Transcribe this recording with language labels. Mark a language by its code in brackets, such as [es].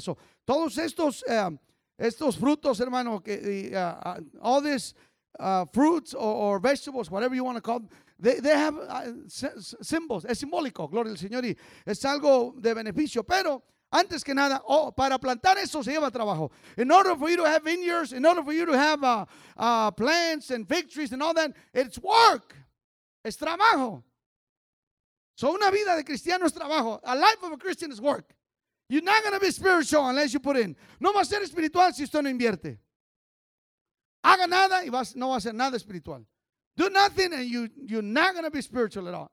[en] So, [es] todos estos, estos frutos, hermano, que, [en] all these fruits or vegetables, whatever you want to call them, they have symbols. [es] Es simbólico, gloria al Señor. Y es algo de beneficio. Pero antes que nada, para plantar eso se lleva trabajo. [en] In order for you to have vineyards, in order for you to have plants and fig trees and all that, it's work. [es] Es trabajo. [en] So [es] una vida de cristiano es trabajo. [en] A life of a Christian is work. You're not going to be spiritual unless you put in. [es] No va a ser espiritual si usted no invierte. Haga nada y no va a ser nada espiritual. [en] Do nothing and you're not going to be spiritual at all.